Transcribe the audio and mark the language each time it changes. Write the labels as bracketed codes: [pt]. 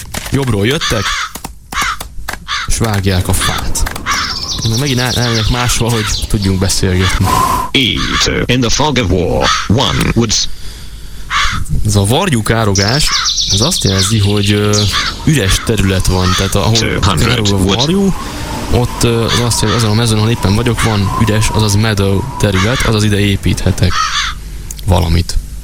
[hu] Jobbról jöttek, és vágják a fát. Még megint elmegyek máshol, hogy tudjunk beszélgetni. [en] E2, in the fog of war, one woods. [hu] Ez a varjúkárogás, ez azt jelzi, hogy üres terület van, tehát ahol károg a varjú, ott az azt jelenti, ezen a mezőn, ahol éppen vagyok, van üres, azaz meadow terület, azaz ide építhetek valamit.